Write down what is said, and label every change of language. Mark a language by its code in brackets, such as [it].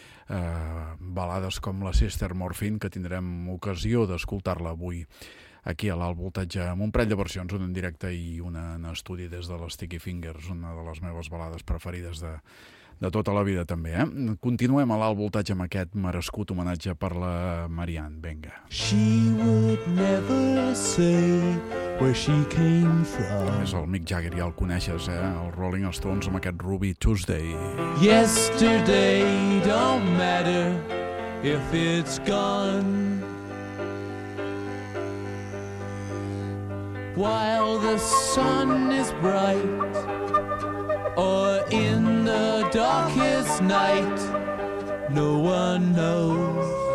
[ca] balades com la Sister Morphine, que tindrem ocasió d'escoltar-la avui aquí a l'Alt Voltatge, amb un parell de versions, una en directe i una en estudi des de les Sticky Fingers, una de les meves balades preferides de tota la vida, també. Continuem a l'Alt Voltatge amb aquest merescut homenatge per la Marianne. Vinga. [en] She would never say where she came from. [ca] És el Mick Jagger, ja el coneixes, eh? El Rolling Stones amb aquest Ruby Tuesday. [en] Yesterday don't matter if it's gone. While the sun is bright, or in the darkest night, no one knows.